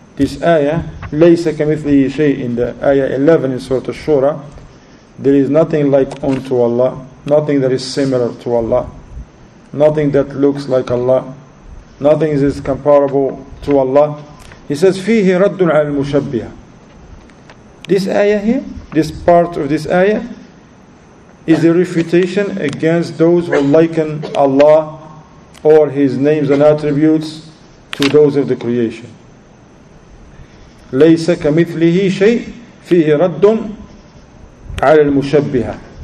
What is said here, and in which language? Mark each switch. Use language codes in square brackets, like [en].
[en] This ayah, [ar] لَيْسَ كَمِثْلِهِ شَيْءٍ, [en] in the ayah 11 in Surah Ash-Shura, there is nothing like unto Allah, nothing that is similar to Allah, nothing that looks like Allah, nothing is comparable to Allah. He says, [ar] فِيهِ رَدٌّ عَلْ مُشَبِّهَ. [en] This ayah here, this part of this ayah, is a refutation against those who liken Allah or His names and attributes to those of the creation. [ar] لَيْسَ كَمِثْلِهِ شَيْءٍ فِيهِ رَدٌّ عَلَى الْمُشَبِّهَ.